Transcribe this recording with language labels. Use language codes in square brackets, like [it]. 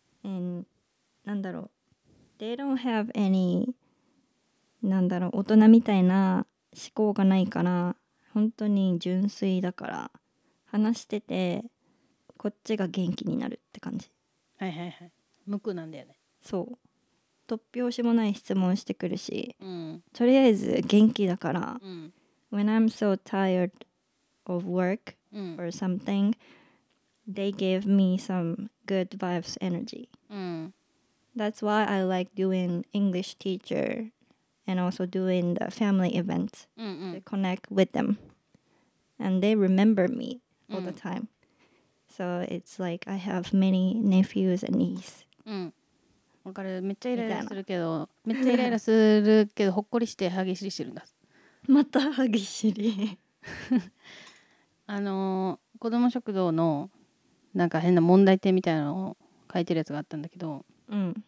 [ja] and なんだろう [en] They don't have any [ja] なんだろう大人みたいな思考がないから本当に純粋だから話しててこっちが元気になるって感じ。はいはいはい、無垢なんだよね。そう、突拍子もない質問してくるし、うん、とりあえず元気だから、うん、 [en] When I'm so tired of work、 [ja] うん、 [en] or something they give me some good vibes energy、 [ja] うん、 [en] That's why I like doing English teacher and also doing the family event、 [ja] うんうん、 [en] to connect with them and they remember me all、うん、the timeSo it's like I have many nephews and nieces. [ja] うん、わかる。めっちゃイライラするけど、めっちゃイライラするけどほっこりして歯ぎしりしてるんだ。また歯ぎしり。子ども食堂のなんか変な問題点みたいなのを書いてるやつがあったんだけど、うん、